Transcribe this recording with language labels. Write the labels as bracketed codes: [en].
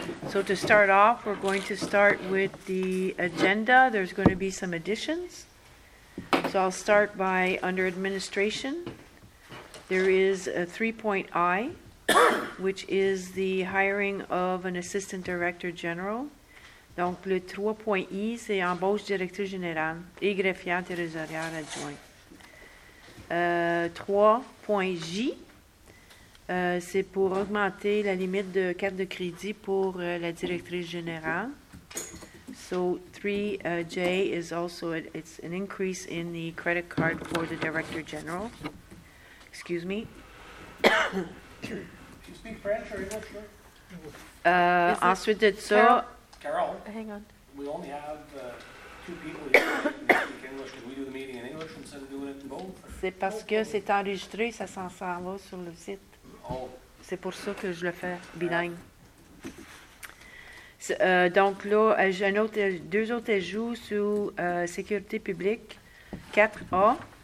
[en] So, to start off, we're going to start with the agenda. There's going to be some additions. So, I'll start by under administration. There is a 3.I, which is the hiring of an assistant director general. [fr] Donc, le 3.I, c'est embauche directeur général et greffier territorial adjoint. 3.J, c'est pour augmenter la limite de carte de crédit pour la directrice générale. [en] So, 3J is also, it's an increase in the credit card for the director general. Excuse me. Do you speak French or English, sir? [fr] Ensuite de ça, [en] Carol. Hang on. We only have two people here who speak English. Can we do the meeting in English instead of doing it in both? [fr] C'est parce que c'est enregistré, ça s'en sort là sur le site. Oh. C'est pour ça que je le fais bilingue. Donc là, j'ai deux autres ajouts sous sécurité publique, 4A.